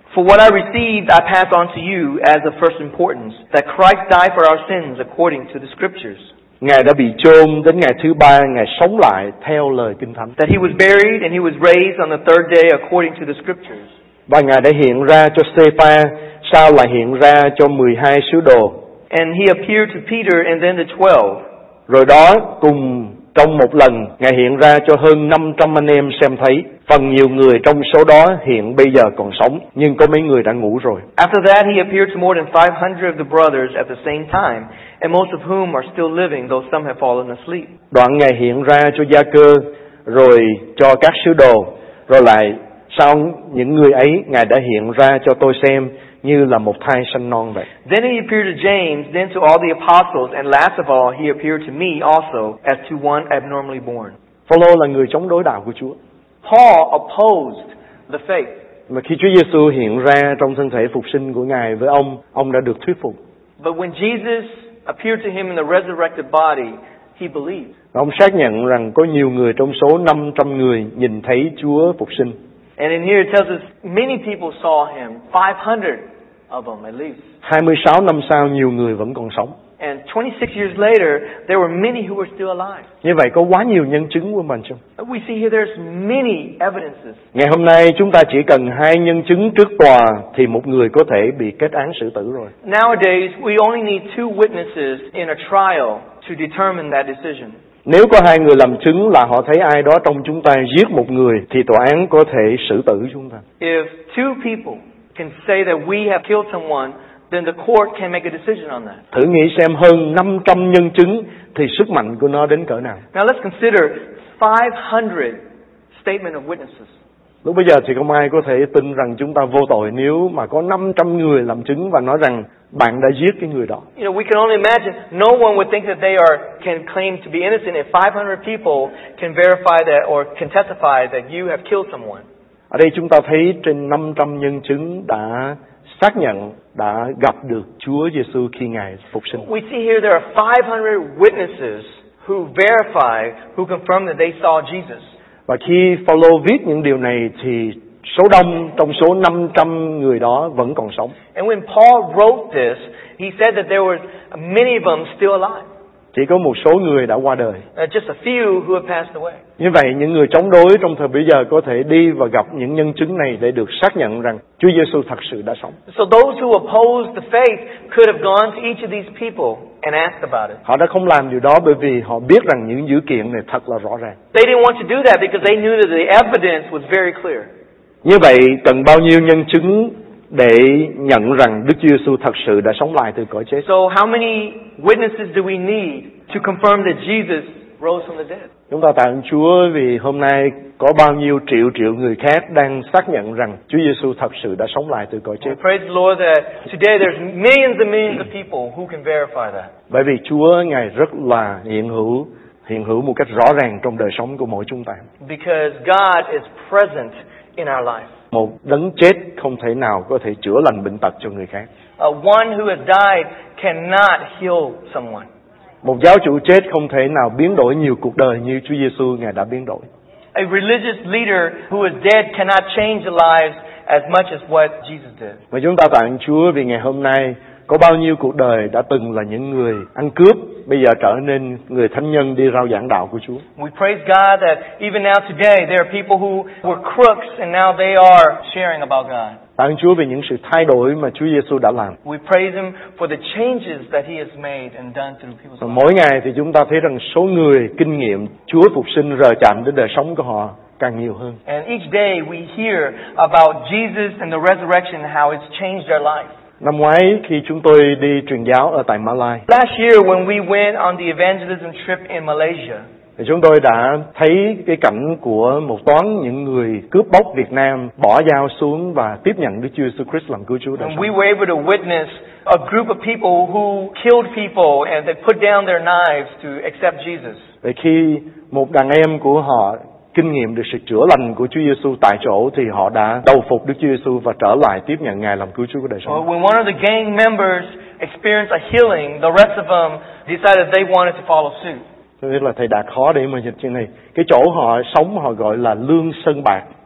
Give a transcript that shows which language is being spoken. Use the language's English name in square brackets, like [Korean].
[English] For what I received, I pass on to you as of first importance, that Christ died for our sins according to the Scriptures. [Vietnamese] Ngài đã bị chôn, đến ngày thứ ba Ngài sống lại theo lời Kinh Thánh. [English] That he was buried and he was raised on the third day according to the Scriptures. [Vietnamese] Và Ngài đã hiện ra cho Cepha, sau là hiện ra cho 12 sứ đồ. [English] And he appeared to Peter and then the 12. [Vietnamese] Rồi đó cùng trong một lần Ngài hiện ra cho hơn 500 anh em xem thấy. Phần nhiều người trong số đó hiện bây giờ còn sống, nhưng có mấy người đã ngủ rồi. [English] After that he appeared to more than 500 of the brothers at the same time, and most of whom are still living, though some have fallen asleep. [Vietnamese] Đoạn Ngài hiện ra cho gia cơ, rồi cho các sứ đồ, rồi lại sau những người ấy Ngài đã hiện ra cho tôi xem như là một thai sanh non vậy. [English] Then he appeared to James, then to all the apostles, and last of all he appeared to me also as to one abnormally born. [Vietnamese] Phaolô là người chống đối đạo của Chúa. [English] Paul opposed the faith. [Vietnamese] Mà khi Chúa Giêsu hiện ra trong thân thể phục sinh của Ngài với ông đã được thuyết phục. [English] But when Jesus appeared to him in the resurrected body, he believed. [Vietnamese] Và ông xác nhận rằng có nhiều người trong số 500 người nhìn thấy Chúa phục sinh. [English] And in here it tells us many people saw him, 500 of them at least. [Vietnamese] 26 năm sau nhiều người vẫn còn sống. [English] And 26 years later there were many who were still alive. [Vietnamese] Như vậy có quá nhiều nhân chứng của mình chứ. [English] We see here there's many evidences. [Vietnamese] Ngày hôm nay chúng ta chỉ cần hai nhân chứng trước tòa thì một người có thể bị kết án xử tử rồi. [English] Nowadays we only need two witnesses in a trial to determine that decision. [Vietnamese] Nếu có hai người làm chứng là họ thấy ai đó trong chúng ta giết một người thì tòa án có thể xử tử chúng ta. [English] If two people can say that we have killed someone, then the court can make a decision on that. [Vietnamese] Thử nghĩ xem hơn 500 nhân chứng thì sức mạnh của nó đến cỡ nào. [English] Now let's consider 500 statement of witnesses. [Vietnamese] Lúc bây giờ thì không ai có thể tin rằng chúng ta vô tội nếu mà có 500 người làm chứng và nói rằng bạn đã giết cái người đó. [English] You know, we can only imagine no one would think that they are can claim to be innocent if 500 people can verify that or can testify that you have killed someone. [Vietnamese] Ở đây chúng ta thấy trên 500 nhân chứng đã xác nhận đã gặp được Chúa Giêsu khi Ngài phục sinh. [English] We see here there are 500 witnesses who verify, who confirm that they saw Jesus. [Vietnamese] Và khi Phaolô viết những điều này thì số đông trong số 500 người đó vẫn còn sống. [English] And when Paul wrote this, he said that there were many of them still alive. [Vietnamese] Chỉ có một số người đã qua đời. [English] Just a few who have passed away. [Vietnamese] Như vậy những người chống đối trong thời bây giờ có thể đi và gặp những nhân chứng này để được xác nhận rằng Chúa Giêsu thật sự đã sống. [English] So those who opposed the faith could have gone to each of these people and asked about it. [Vietnamese] Họ đã không làm điều đó bởi vì họ biết rằng những dữ kiện này thật là rõ ràng. [English] They didn't want to do that because they knew that the evidence was very clear. [Vietnamese] Như vậy cần bao nhiêu nhân chứng để nhận rằng Đức Chúa Giêsu thật sự đã sống lại từ cõi chết? [English] So how many witnesses do we need to confirm that Jesus rose from the dead? [Vietnamese] Chúng ta tạ ơn Chúa vì hôm nay có bao nhiêu triệu triệu người khác đang xác nhận rằng Chúa Giêsu thật sự đã sống lại từ cõi chết. [English] Praise the Lord that today there's millions and millions of people who can verify that. [Vietnamese] Bởi vì Chúa Ngài rất là hiện hữu một cách rõ ràng trong đời sống của mỗi chúng ta. [English] Because God is present in our life. [Vietnamese] Một đấng chết không thể nào có thể chữa lành bệnh tật cho người khác. [English] One who has died cannot heal someone. [Vietnamese] Một giáo chủ chết không thể nào biến đổi nhiều cuộc đời như Chúa Giêsu Ngài đã biến đổi. [English] A religious leader who is dead cannot change the lives as much as what Jesus did. [Vietnamese] Và chúng ta tạ ơn Chúa vì ngày hôm nay có bao nhiêu cuộc đời đã từng là những người ăn cướp, bây giờ trở nên người thánh nhân đi rao giảng đạo của Chúa. [English] We praise God that even now today there are people who were crooks and now they are sharing about God. [Vietnamese] Tạ ơn Chúa vì những sự thay đổi mà Chúa Giêsu đã làm. [English] We praise him for the changes that he has made and done through people's lives. [Vietnamese] Mỗi ngày thì chúng ta thấy rằng số người kinh nghiệm Chúa phục sinh rời chạm đến đời sống của họ càng nhiều hơn. [English] And each day we hear about Jesus and the resurrection, how it's changed their life. [Vietnamese] Năm ngoái khi chúng tôi đi truyền giáo ở tại Malaysia. [English] Last year when we went on the evangelism trip in Malaysia. [Vietnamese] Thì chúng tôi đã thấy cái cảnh của một toán những người cướp bóc Việt Nam bỏ dao xuống và tiếp nhận Đức Chúa Jesus Christ làm cứu Chúa đời sống. [English] We were able to witness a group of people who killed people and they put down their knives to accept Jesus. [Vietnamese] Và khi một đàn em của họ kinh nghiệm được sự chữa lành của Chúa Giêsu tại chỗ thì họ đã đầu phục Đức Chúa Giêsu và trở lại tiếp nhận Ngài làm cứu Chúa của đời sống. [English] When one of the gang members experienced a healing, the rest of them decided they wanted to follow suit. [Vietnamese] Tôi biết là thầy đã khó để mà dịch chuyện này. Cái chỗ họ sống họ gọi là lương sơn bạc.